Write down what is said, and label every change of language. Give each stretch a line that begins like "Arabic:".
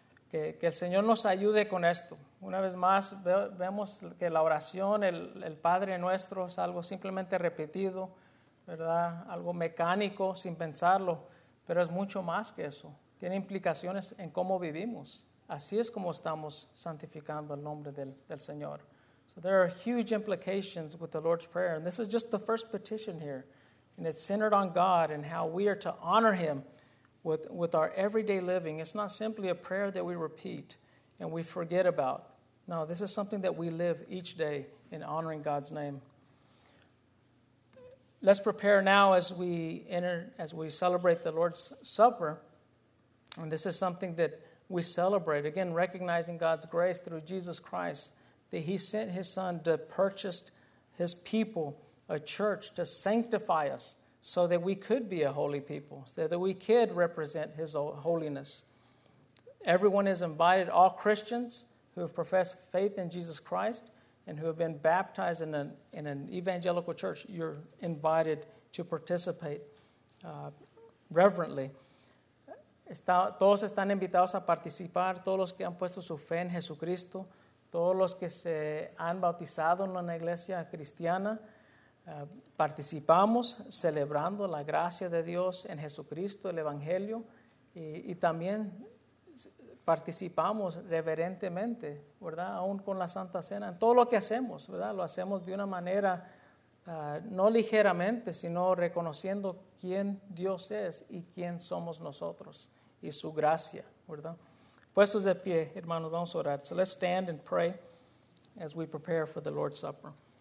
Spanish: Que el Señor nos ayude con esto. Una vez más, vemos que la oración, el Padre Nuestro, es algo simplemente repetido, ¿verdad? Algo mecánico, sin pensarlo. Pero es mucho más que eso. Tiene implicaciones en cómo vivimos. Así es como estamos santificando el nombre del Señor.
English: So there are huge implications with the Lord's Prayer. And this is just the first petition here. And it's centered on God and how we are to honor Him with our everyday living. It's not simply a prayer that we repeat and we forget about. No, this is something that we live each day in honoring God's name. Let's prepare now as we celebrate the Lord's Supper. And this is something that we celebrate. Again, recognizing God's grace through Jesus Christ, that He sent His Son to purchase His people, a church, to sanctify us so that we could be a holy people, so that we could represent His holiness. Everyone is invited, all Christians who have professed faith in Jesus Christ and who have been baptized in an evangelical church, you're invited to participate reverently.
Spanish: Todos están invitados a participar, todos los que han puesto su fe en Jesucristo, todos los que se han bautizado en la iglesia cristiana, participamos celebrando la gracia de Dios en Jesucristo, el Evangelio, y también participamos reverentemente, ¿verdad? Aún con la Santa Cena, en todo lo que hacemos, ¿verdad? Lo hacemos de una manera, no ligeramente, sino reconociendo quién Dios es y quién somos nosotros y su gracia, ¿verdad? Puestos de pie, hermanos, vamos a orar.
English: So let's stand and pray as we prepare for the Lord's Supper.